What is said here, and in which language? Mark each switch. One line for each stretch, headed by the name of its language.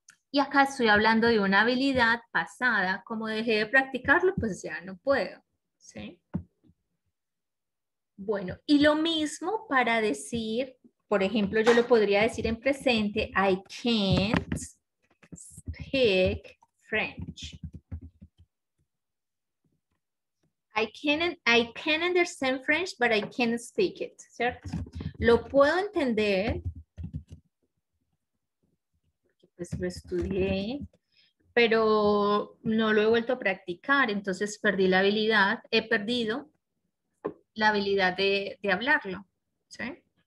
Spanish: Y acá estoy hablando de una habilidad pasada. Como dejé de practicarlo, pues ya no puedo, ¿sí? Bueno, y lo mismo para decir, por ejemplo, yo lo podría decir en presente,
English: I can't speak French. I can understand French, but I can't speak it,
Spanish: ¿cierto? Lo puedo entender, pues lo estudié, pero no lo he vuelto a practicar, entonces perdí la habilidad, he perdido la habilidad de hablarlo, ¿sí?